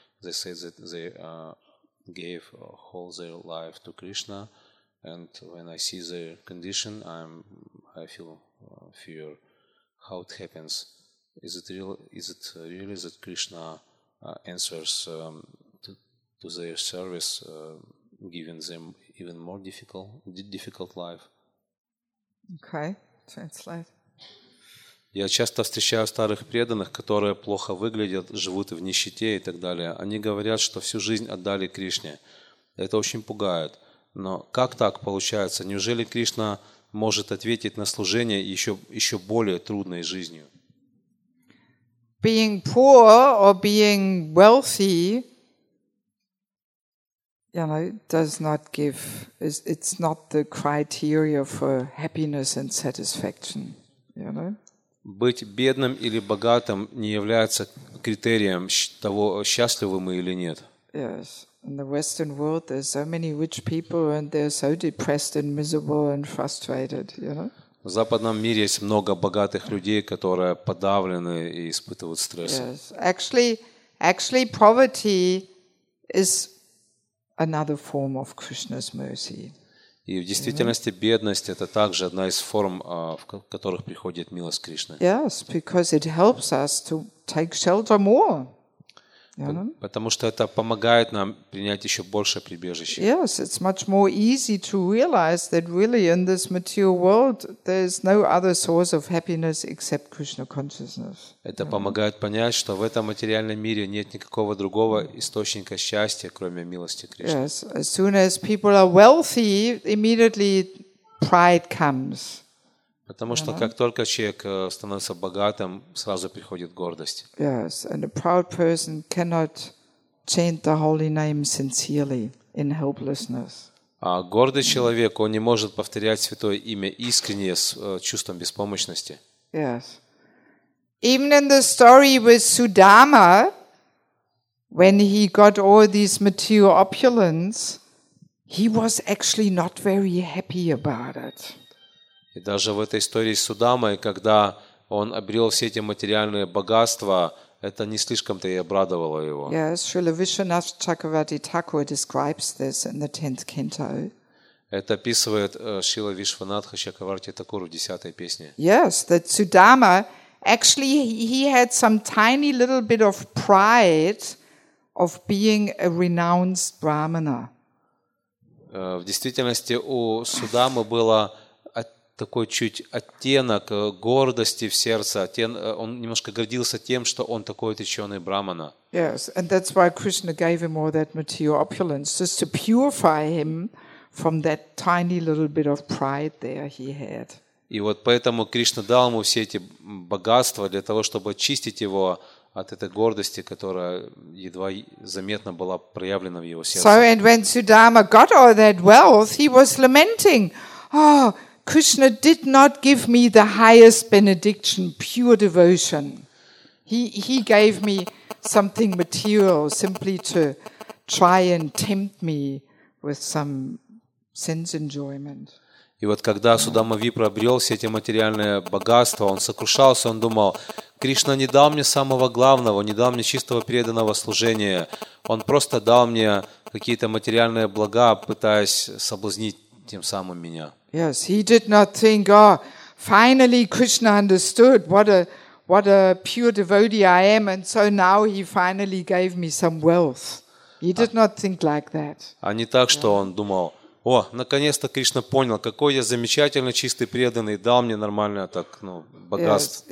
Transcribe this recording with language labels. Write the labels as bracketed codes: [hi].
[en] They say that they gave all their life to Krishna, and when I see their condition, I feel fear. How it happens? Is it real? Is it really that Krishna answers to their service, giving them even more difficult life? Okay, translate. [ru] Я часто встречаю старых преданных, которые плохо выглядят, живут в нищете и так далее. Они говорят, что всю жизнь отдали Кришне. Это очень пугает. Но как так получается? Неужели Кришна может ответить на служение еще более трудной жизнью? [en] Being poor or being wealthy, you know, does not give, it's not the criteria for happiness and satisfaction, you know? [ru] Быть бедным или богатым не является критерием того, счастливы мы или нет. [en] Yes. In the Western world, there's so many rich people, and they're so depressed and miserable and frustrated. You know. [ru] В западном мире есть много богатых людей, которые подавлены и испытывают стресс. [en] Yes, actually, poverty is another form of Krishna's mercy. [ru] И в действительности бедность это также одна из форм, в которых приходит милость Кришны. [en] Yes, because it helps us to take shelter more. [ru] Потому что это помогает нам принять еще больше прибежища. [en] Yes, it's much more easy to realize that really in this material world there's no other source of happiness except Krishna consciousness. [ru] Это помогает понять, что в этом материальном мире нет никакого другого источника счастья, кроме милости Кришны. [en] Yes, as soon as people are wealthy, immediately pride comes. [ru] Потому что как только человек становится богатым, сразу приходит гордость. [en] Yes, and a proud person cannot chant the holy name sincerely in helplessness. [ru] А гордый человек, он не может повторять святое имя искренне с чувством беспомощности. [en] Yes. Even in the story with Sudama, when he got all these material opulence, he was actually not very happy about it. [ru] И даже в этой истории с Судамой, когда он обрел все эти материальные богатства, это не слишком-то и обрадовало его. [en] Yes, Srila Vishwanatha Chakravarti Thakur describes this in the 10th canto. [ru] Это описывает Шрила Вишванатха Чакраварти Такур в 10-й песне. [en] Yes, that Sudama, actually he had some tiny little bit of pride of being a renounced Brahmana. [ru] В действительности у Судамы было такой чуть оттенок гордости в сердце. Он немножко гордился тем, что он такой отреченный брахмана. [en] Yes, and that's why Krishna gave him all that material opulence, just to purify him from that tiny little bit of pride there he had. [ru] И вот поэтому Кришна дал ему все эти богатства для того, чтобы очистить его от этой гордости, которая едва заметно была проявлена в его сердце. [en] So and when Sudama got all that wealth, he was lamenting, "Oh, Krishna did not give me the highest benediction, pure devotion. He gave me something material simply to try and tempt me with some sense enjoyment." [ru] И вот когда Судама Випра обрел все эти материальные богатства, он сокрушался, он думал, Кришна не дал мне самого главного, не дал мне чистого преданного служения. Он просто дал мне какие-то материальные блага, пытаясь соблазнить тем самым меня. [en] Yes, he did not think, oh, finally Krishna understood what a pure devotee I am, and so now he finally gave me some wealth. He did not think like that. [ru] А не так, что он думал, о, наконец-то Кришна понял, какой я замечательный, чистый, преданный, дал мне нормальное так, ну, богатство.